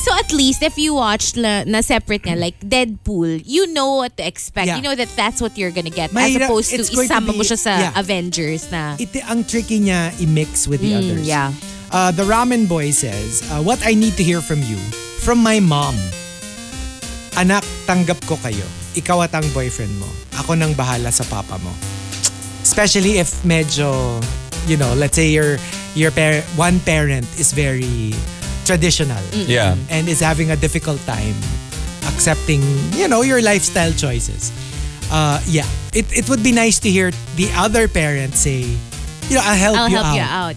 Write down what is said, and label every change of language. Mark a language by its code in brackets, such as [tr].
[en] So at least if you watch na separate na, like Deadpool, you know what to expect. Yeah. You know that that's what you're gonna get. [tl] May, [en] as opposed to [tl] isama mo siya sa yeah. Avengers na. Iti ang tricky niya i-mix [en] with the others. Yeah. The Ramen Boy says, what I need to hear from you, from my mom. [tl] Anak, tanggap ko kayo. Ikaw at ang boyfriend mo. Ako nang bahala sa papa mo. [en] Especially if medyo, you know, let's say one parent is very traditional. Mm-hmm. Yeah. And is having a difficult time accepting, you know, your lifestyle choices. Yeah. It would be nice to hear the other parent say, you know, I'll help you out.